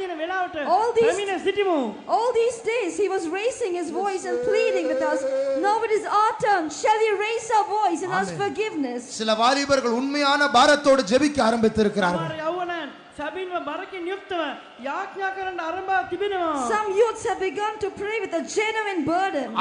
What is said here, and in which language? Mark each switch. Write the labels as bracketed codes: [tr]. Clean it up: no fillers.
[en] All these days he was raising his voice and pleading with us. Now it is our turn. Shall we raise our voice and ask forgiveness? [ta] சில வாலிபர்கள் உண்மையான பாரத்தோடு ஜெபிக்க ஆரம்பித்திருக்கிறார்கள். [en] Some youths have begun to pray with a genuine burden.